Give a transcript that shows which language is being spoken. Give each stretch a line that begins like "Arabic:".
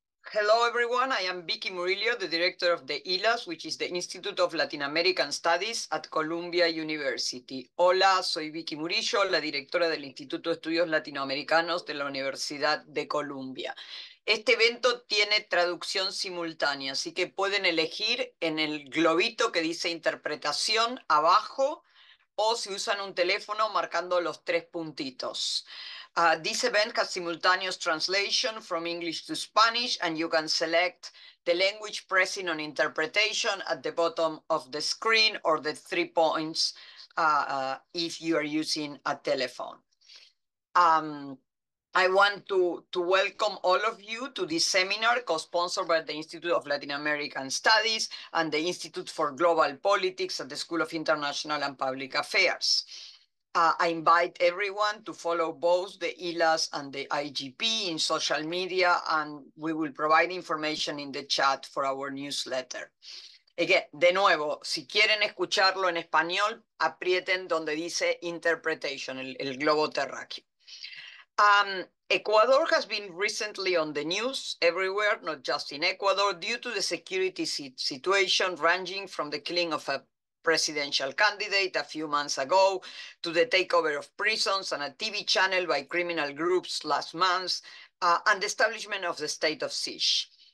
English: Hello everyone, I am Vicky Murillo, the director of the ILAS, which is the Institute of Latin American Studies at Columbia University.
Spanish: Hola, soy Vicky Murillo, la directora del Instituto de Estudios Latinoamericanos de la Universidad de Columbia. Este evento tiene traducción simultánea, así que pueden elegir en el globito que dice interpretación abajo o si usan un teléfono marcando los tres puntitos.
English: This event has simultaneous translation from English to Spanish, and you can select the language pressing on interpretation at the bottom of the screen or the three points if you are using a telephone. I want to welcome all of you to this seminar co-sponsored by the Institute of Latin American Studies and the Institute for Global Politics at the School of International and Public Affairs. I invite everyone to follow both the ILAS and the IGP in social media, and we will provide information in the chat for our newsletter. Again,
Spanish: de nuevo, si quieren escucharlo en español, aprieten donde dice interpretation, el globo terráqueo.
English: Ecuador has been recently on the news everywhere, not just in Ecuador, due to the security situation ranging from the killing of a presidential candidate a few months ago to the takeover of prisons and a TV channel by criminal groups last month and the establishment of the state of siege.